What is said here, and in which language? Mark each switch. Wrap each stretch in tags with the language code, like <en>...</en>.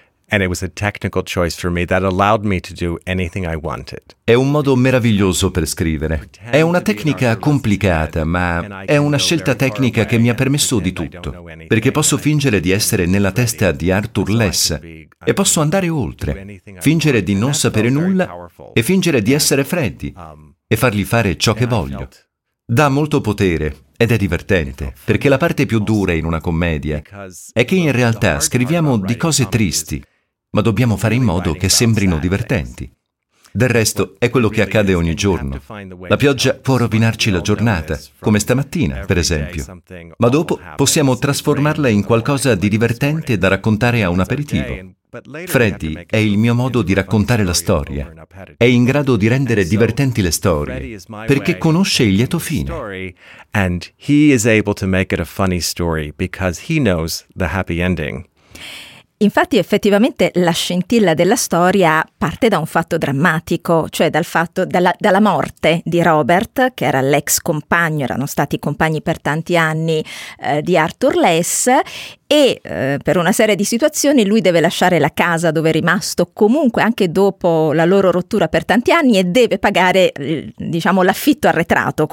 <en>And it was a technical choice for me that allowed me to do anything I wanted.</en> <it>È un modo meraviglioso per scrivere. È una tecnica complicata, ma è una scelta tecnica che mi ha permesso di tutto. Perché posso fingere di essere nella testa di Arthur Less e posso andare oltre, fingere di non sapere nulla e fingere di essere Freddy e fargli fare ciò che voglio. Dà molto potere. Ed è divertente, perché la parte più dura in una commedia è che in realtà scriviamo di cose tristi, ma dobbiamo fare in modo che sembrino divertenti. Del resto, è quello che accade ogni giorno. La pioggia può rovinarci la giornata, come stamattina, per esempio. Ma dopo possiamo trasformarla in qualcosa di divertente da raccontare a un aperitivo. Freddy è il mio modo di raccontare la storia. È in grado di rendere divertenti le storie, perché conosce il lieto fine.</it> <en>And he is able to make it a funny story because he knows the happy ending.</en> <it>Infatti, effettivamente, la scintilla della storia parte da un fatto drammatico, cioè dalla morte di Robert, che era l'ex compagno, erano stati compagni per tanti anni, di Arthur Less, e per una serie di situazioni lui deve lasciare la casa dove è rimasto comunque anche dopo la loro rottura per tanti anni e deve pagare, diciamo, l'affitto arretrato.</it>